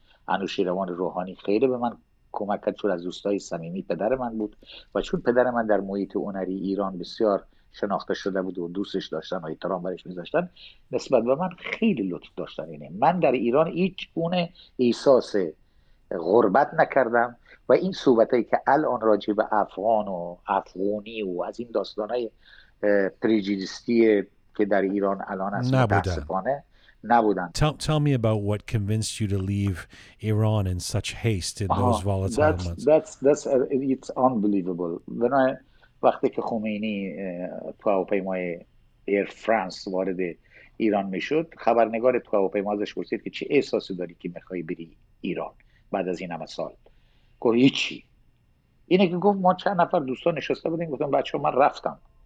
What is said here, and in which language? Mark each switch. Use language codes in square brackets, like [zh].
[fa] انوشیروان روحانی خیلی به من کمک کرد چون از دوستای صمیمی پدر من بود و چون پدر من در محیط هنری ایران بسیار شناخته شده بود و دوستش داشتن و احترام برش میذاشتن نسبت به من خیلی لطف داشتن. اینه من در ایران هیچ گونه احساس غربت نکردم و این صحبتایی که الان راجع به افغان و افغانی و از این داستانای پریجیدیستی که در ایران الان هست متاسفانه نبودن. [en] Tell me about what convinced you to leave Iran in such haste in those volatile months. It's unbelievable. When I [fa] وقتی که خمینی تو هواپیمای ایر فرانس وارد ایران میشد خبرنگار تو هواپیما ازش پرسید که چه احساسی داری که میخوای بری ایران بعد از این همه سال. گفت هیچی. اینه که گفت ما چند نفر دوستان نشسته بودیم گفتم بچه ها من رفتم.